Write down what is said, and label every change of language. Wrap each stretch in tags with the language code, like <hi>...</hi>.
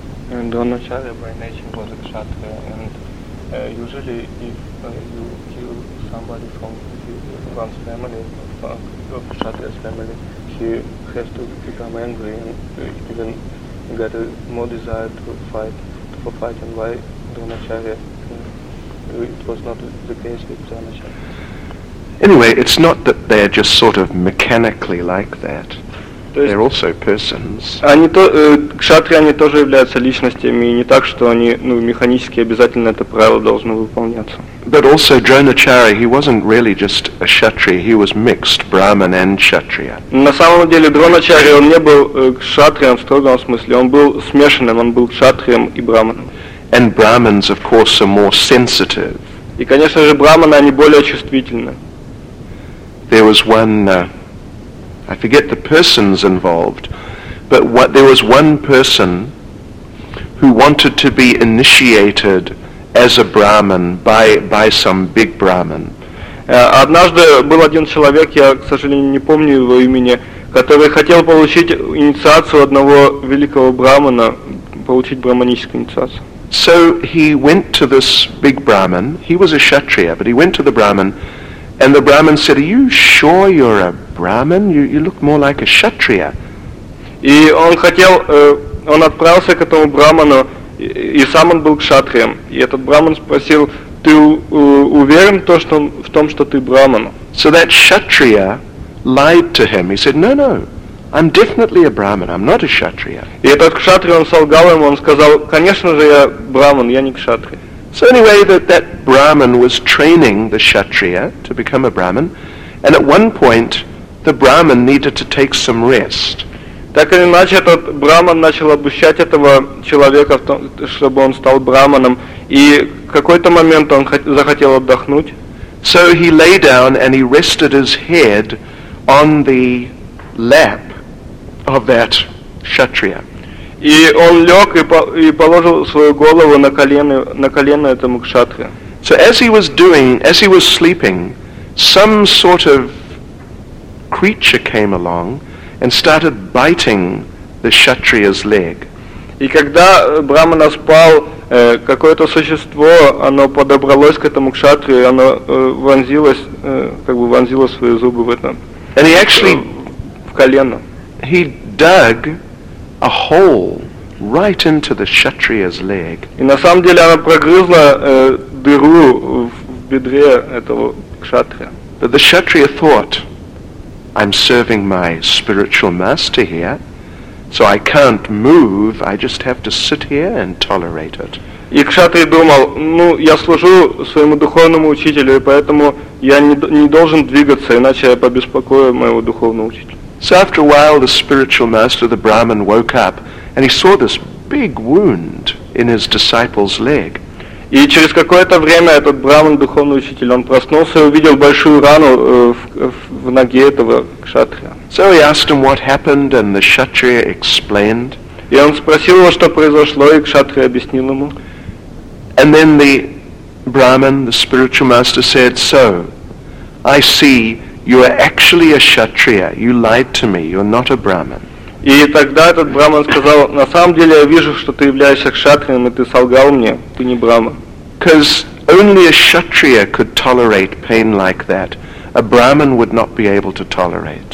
<en>Dhanacharya by nature was a kshatriya, and usually if you kill somebody from one's family, of kshatriya's family, he has to become angry and even get more desire to fight. And why Dhanacharya? It was not the case with Dhanacharya. Anyway, it's not that they're just sort of mechanically like that. They're also persons.</en> <ru>Они то кшатри, они тоже являются личностями, и не так, что они, ну, механически обязательно это правило должно выполняться.</ru> <en>But also Dronacharya, he wasn't really just a kshatriya, he was mixed Brahman and kshatriya.</en> <ru>На самом деле Дроначарья, он не был кшатрием в строгом смысле, он был смешанным, он был кшатрием и брахманом.</ru> <en>And Brahmins, of course, are more sensitive.</en> <ru>И, конечно же, брахманы, они более чувствительны.</ru> <en>There was one I forget the persons involved, but what, there was one person who wanted to be initiated as a Brahmin by some big Brahmin.</en> <ru>Однажды был один человек, я, к сожалению, не помню его имени, который хотел получить инициацию одного великого Брахмана, получить брахманическую инициацию.</ru> <en>So he went to this big Brahmin. He was a Kshatriya, but he went to the Brahmin. And the Brahmin said, "Are you sure you're a Brahmin? You look more like a Kshatriya."</en> <ru>И он хотел, он отправился к этому Брахману, и сам он был кшатрием. И этот Брахман спросил, "Ты уверен в том, что ты Брахман?"</ru> <en>So that Kshatriya lied to him. He said, "No, I'm definitely a Brahmin. I'm not a Kshatriya."</en> <ru>И этот кшатрия, он солгал ему, он сказал, "Конечно же, я Брахман, я не кшатрия."</ru> <en>So anyway, that Brahmin was training the Kshatriya to become a Brahmin, and at one point, the Brahmin needed to take some rest.</en> <ru>Так или иначе, этот Брахмин начал обучать этого человека, чтобы он стал Брахмином, и в какой-то момент он захотел отдохнуть.</ru> <en>So he lay down and he rested his head on the lap of that Kshatriya.</en> <ru>И он лег и положил свою голову на колено этому кшатрия.</ru> <en>So as he was sleeping, some sort of creature came along and started biting the kshatriya's leg.</en> <ru>И когда брахмана спал, какое-то существо, оно подобралось к этому кшатрию, оно вонзило свои зубы в это.</ru> <en>And he actually</en> <ru>в колено.</ru> <en>He dug a hole right into the Kshatriya's leg.</en> <ru>И на самом деле она прогрызла дыру в бедре этого кшатрия.</ru> <en>But the Kshatriya thought, "I'm serving my spiritual master here, so I can't move. I just have to sit here and tolerate it."</en> <ru>И кшатрий думал, ну, я служу своему духовному учителю, и поэтому я не должен двигаться, иначе я побеспокою моего духовного учителя.</ru> <en>So after a while, the spiritual master, the Brahmin, woke up, and he saw this big wound in his disciple's leg.</en> <ru>И через какое-то время этот браман, духовный учитель, он проснулся и увидел большую рану в ноге этого кшатрия.</ru> <en>So he asked him what happened, and the kshatriya explained.</en> <ru>И он спросил его, что произошло, и кшатрия объяснил ему.</ru> <en>And then the brahman, the spiritual master, said, "So, I see you are actually a kshatriya. You lied to me. You're not a brahman."</en> <ru>И тогда этот браман сказал: "На самом деле я вижу, что ты являешься кшатрием, и ты солгал мне. Ты не брахман."</ru> <en>Because only a kshatriya could tolerate pain like that. A brahman would not be able to tolerate.</en>